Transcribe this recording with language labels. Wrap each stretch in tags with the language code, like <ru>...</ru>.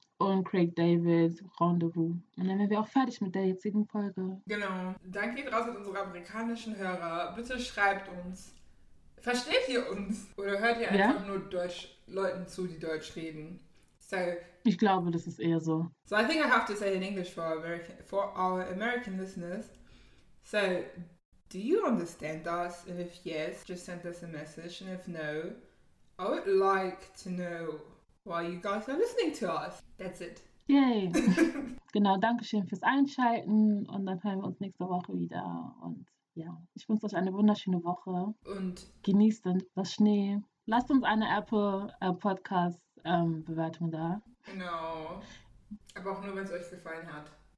<de>und Craig David Rendezvous. Und dann wären wir auch fertig mit der jetzigen Folge. Genau. Danke ihr draußen an unsere amerikanischen Hörer. Bitte schreibt uns. Versteht ihr uns? Oder hört ihr Ja? einfach nur Deutsch Leuten zu, die Deutsch reden? So, Ich glaube, das ist eher so.</de> <en>I think I have to say it in English for our American listeners. So, do you understand us? And if yes, just send us a message. And if no, I would like to know why you guys are listening to us. That's it. Yay. Bye</en> <de>Genau, Dankeschön fürs Einschalten und dann hören wir uns nächste Woche wieder. Und ja, ich wünsche euch eine wunderschöne Woche. und Genießt das Schnee. Lasst uns eine Apple Podcast Bewertung da. genau. Aber auch nur, wenn es euch gefallen hat.</de>